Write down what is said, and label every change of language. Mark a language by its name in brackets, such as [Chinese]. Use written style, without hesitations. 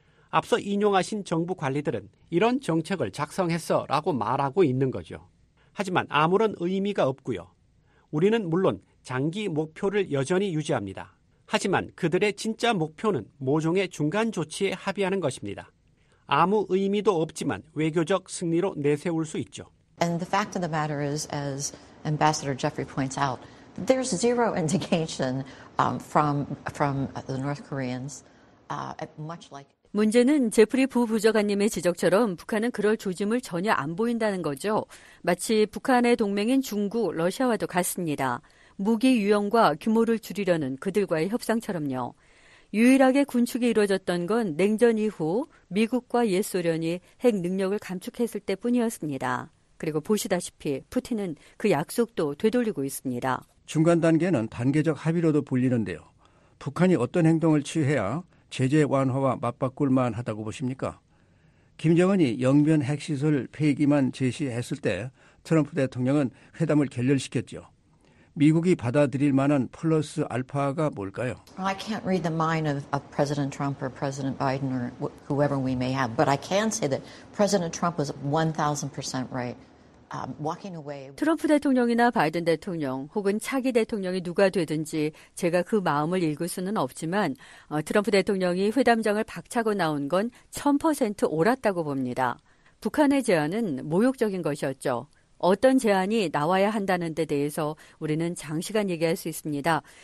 [Korean] 앞서 인용하신 정부 관리들은 이런 정책을 작성했어라고 말하고 있는 거죠. 하지만 아무런 의미가 없고요. 우리는 물론 장기 목표를 여전히 유지합니다. 하지만 그들의 진짜 목표는 모종의 중간 조치에 합의하는 것입니다. 아무 의미도 없지만 외교적 승리로 내세울 수 있죠. [English] And the fact of the matter is, as Ambassador Jeffrey points out, there's zero indication from the North Koreans, much like. [Korean] 문제는 제프리 부부장관님의 지적처럼 북한은 그럴 조짐을 전혀 안 보인다는 거죠. 마치 북한의 동맹인 중국, 러시아와도 같습니다. 무기 유형과 규모를 줄이려는 그들과의 협상처럼요. 유일하게 군축이 이루어졌던 건 냉전 이후 미국과 옛 소련이 핵 능력을 감축했을 때뿐이었습니다. 그리고 보시다시피 푸틴은 그 약속도 되돌리고 있습니다. 중간 단계는 단계적 합의로도 불리는데요. 북한이 어떤 행동을 취해야 제재 완화와 맞바꿀 만하다고 보십니까? 김정은이 영변 핵시설 폐기만 제시했을 때 트럼프 대통령은 회담을 결렬시켰죠. 미국이 받아들일 만한 플러스 알파가 뭘까요? [English] I can't read the mind of President Trump or President Biden or whoever we may have, but I can say that President Trump was 1,000% right [Korean] 트럼프 대통령이나 바이든 대통령 혹은 차기 대통령이 누가 되든지 제가 그 마음을 읽을 수는 없지만 트럼프 대통령이 회담장을 박차고 나온 건 1000% 옳았다고 봅니다. 북한의 제안은 모욕적인 것이었죠. 어떤 제안이 나와야 한다는 데 대해서 우리는 장시간 얘기할 수 있습니다.